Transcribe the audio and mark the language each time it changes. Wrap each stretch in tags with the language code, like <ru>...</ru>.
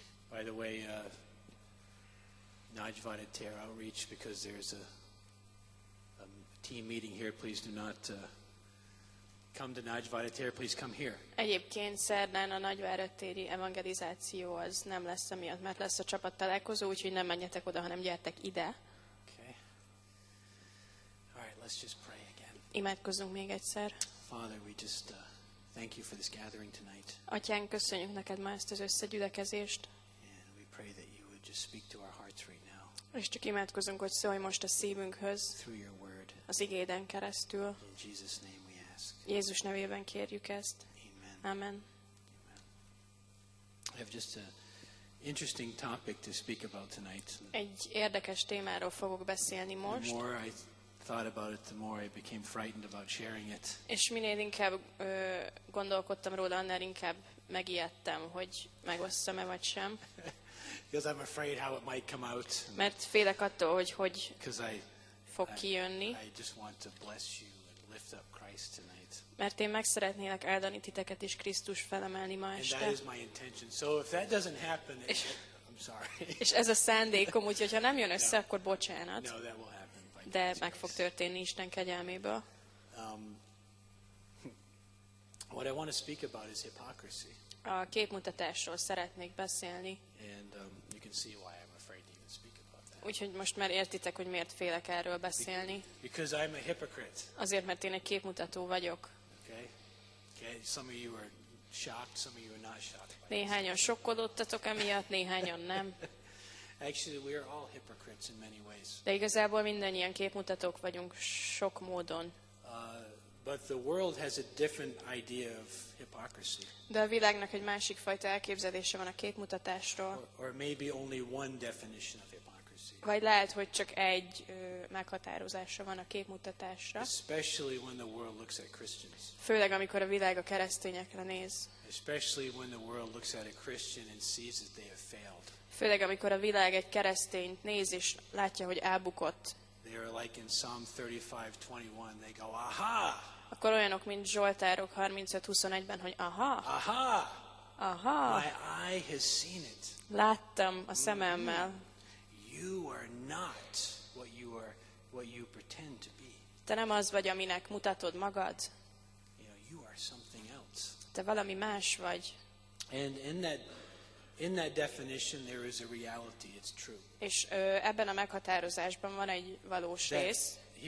<en>By the way, Nagy wanted to outreach because there's a team meeting here. Please do not come to Nagyvárad tér, please come here.</en> <hu>Egyébként szerdán a Nagyvárad téri evangelizáció az nem lesz emiatt, mert lesz a csapat találkozó, úgyhogy nem menjetek oda, hanem gyertek ide.</hu> <en>Okay. All right, let's just pray again.</en> <hu>Imádkozzunk még egyszer.</hu> <en>Father, we just thank you for this gathering tonight.</en> <hu>Atyánk, köszönjük neked ma ezt az összegyűlökezést.</hu> <en>And we pray that you would just speak to our hearts right now.</en> <hu>És csak imádkozunk, hogy szólj most a szívünkhöz.</hu> <en>Through your word.</en> <hu>Az igéden keresztül.</hu> <en>In Jesus name.</en> <hu>Jézus nevében kérjük ezt.</hu> <en>Amen.</en> <hu>Amen.</hu> <en>I have just an interesting topic to speak about tonight.</en> <hu>Egy érdekes témáról fogok beszélni most.</hu> <en>The more I thought about it, the more I became frightened about sharing it.</en> <hu>És minél inkább gondolkodtam róla, annál inkább megijedtem, hogy megosszam-e vagy sem.</hu> <en>Because I'm afraid how it might come out.</en> <hu>Mert félek attól, hogy fog kijönni.</hu> <en>I just want to bless you. Lift up Christ tonight.</en> <hu>Mert én meg szeretnélek áldani titeket is Krisztus felemelni ma este.</hu> <en>And that is my intention. So if that doesn't happen, I'm sorry.</en> <hu>És ez a szándékom, úgyhogy ha nem jön össze, no. Akkor bocsánat.</hu> <en>No, that will happen.</en> <hu>De meg fog történni Isten kegyelméből.</hu> <en>What I want to speak about is hypocrisy.</en> <hu>A képmutatásról szeretnék beszélni.</hu> <en>And you can see why I'm afraid to even speak.</en> <hu>Úgyhogy most már értitek, hogy miért félek erről beszélni.</hu> <en>Because I'm a hypocrite.</en> <hu>Azért, mert én egy képmutató vagyok.</hu> <en>Okay. Okay. Some of you are shocked, some of you are not shocked.</en> <hu>Néhányan sokkodottatok emiatt, néhányan nem.</hu> <en>Actually, we are all hypocrites in many ways.</en> <hu>De igazából mindannyian képmutatók vagyunk sok módon.</hu> <en>But the world has a different idea of hypocrisy.</en> <hu>De a világnak egy másik fajta elképzelése van a képmutatásról.</hu> <en>Or maybe only one definition of hypocrisy.</en> <hu>Vagy lehet, hogy csak egy meghatározása van a képmutatásra.</hu> <en>Especially when the world looks at Christians.</en> <hu>Főleg amikor a világ a keresztényekre néz.</hu> <en>Especially when the world looks at a Christian and sees that they have failed.</en> <hu>Főleg amikor a világ egy keresztényt néz és látja, hogy elbukott.</hu> <en>They are like in Psalm 35:21. They go, aha!</en> <hu>Akkor olyanok, mint Zsoltárok 35:21-ben, hogy aha!</hu> <en>Aha!</en> <hu>Aha!</hu> <en>My eye has seen it.</en> <hu>Láttam a szememmel.</hu> <en>You are not what you are, what you pretend to be.</en> <hu>Te nem az vagy, aminek mutatod magad.</hu> <en>You know, you are something else.</en> <hu>Te valami más vagy.</hu> <en>And in that definition there is a reality. It's true.</en> <hu>És ebben a meghatározásban van egy valós rész.</hu>